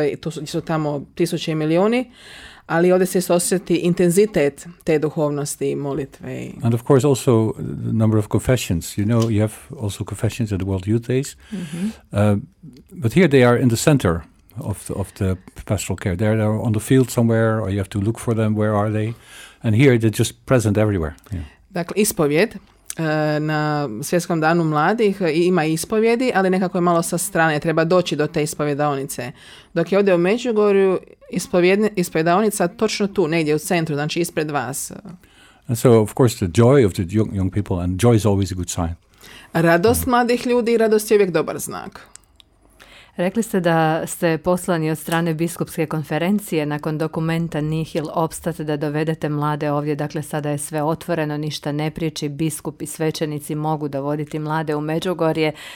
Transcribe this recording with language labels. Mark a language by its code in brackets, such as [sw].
[hr] To su tamo tisuće i milioni. Ali ovdje se osjeti intenzitet te duhovnosti i molitve. [en] And of course also the number of confessions. You know, you have also confessions at the World Youth Days. But here they are in the center of the pastoral care. They're on the field somewhere or you have to look for them, where are they? And here they're just present everywhere. Yeah. [hr] Dakle, ispovjed na svjetskom danu mladih ima ispovjedi, ali nekako je malo sa strane, treba doći do te ispovjedaonice. Dok je ovdje u Međugorju ispovjedaonica točno tu, negdje u centru, znači ispred vas. [en] And so of course the joy of the young people, and joy is always a good sign. [hr] Radost mladih ljudi, radost je uvijek dobar znak. Rekli ste da ste poslani od strane biskupske konferencije nakon dokumenta Nihil Obstat da dovedete mlade ovdje. Dakle, sada je sve otvoreno, ništa ne priječi, biskup i svećenici mogu dovoditi mlade u Međugorje.